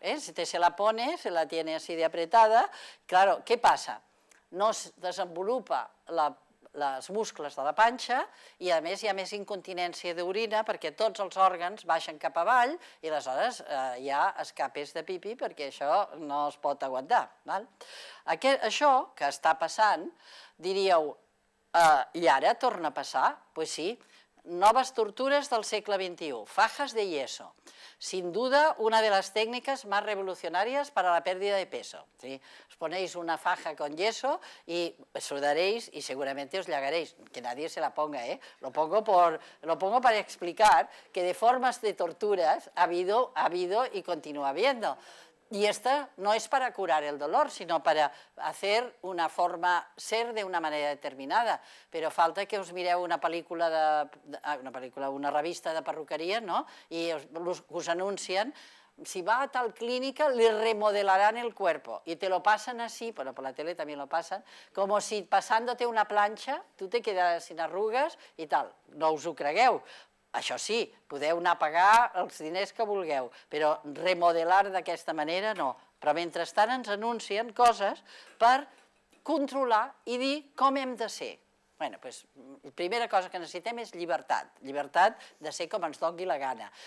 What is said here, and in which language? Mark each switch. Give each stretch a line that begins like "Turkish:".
Spanish: Si se la pone, se la tiene así de apretada, claro, ¿qué pasa?
Catalan: No desenvolupa las muscles de la panxa i, a més, hi ha més incontinència d'orina perquè tots els òrgans baixen cap avall i aleshores hi ha escapes de pipí perquè això no es pot aguantar. Val? Això que està passant, diríeu, i ara torna a passar?
Spanish: Pues sí,
Catalan: noves tortures del segle XXI,
Spanish: fajas de yeso. Sin duda, una de las técnicas más revolucionarias para la pérdida de peso. ¿Sí? Os ponéis una faja con yeso y sudaréis y seguramente os llagaréis. Que nadie se la ponga, ¿eh? Lo pongo para explicar que de formas de torturas ha habido y continúa habiendo. Y esta no es para curar el dolor, sino para hacer una forma ser de una manera determinada. Pero falta
Catalan: que os mireu
Spanish: una película, una revista de perruqueria, ¿no? Y os anuncian, si va a tal clínica, le remodelarán el cuerpo. Y te lo pasan así, bueno, por la tele también lo pasan, como si pasándote una plancha, tú te quedas sin arrugas y tal.
Catalan: No os ho cregueu. Això sí, podeu anar a pagar els diners que vulgueu, però remodelar d'aquesta manera no. Però mentrestant ens anuncien coses per controlar i dir com hem de ser.
Spanish: Bueno, pues,
Catalan: la primera cosa que necessitem és llibertat. Llibertat de ser com ens doni la gana.